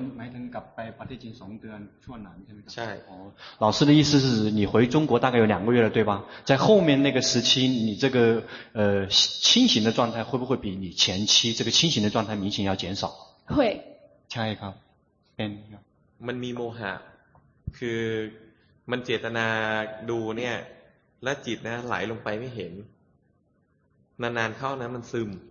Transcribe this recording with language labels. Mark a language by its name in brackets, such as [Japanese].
[Thai] หมายถึงกลับไปปฏิจจสังเกตุช่วงนั้นใช่ ไหมใช่ [Chinese] 老师的意思是你回中国大概有两个月了对吧在后面那个时期你这个清醒的状态会不会比你前期这个清醒的状态明显要减少会 [Thai] ใช่ครับเป็น มันมีโมหะคือมันเจตนาดูเนี่ยและจิตนะไหลลงไปไม่เห็นนานๆเข้านะมันซึม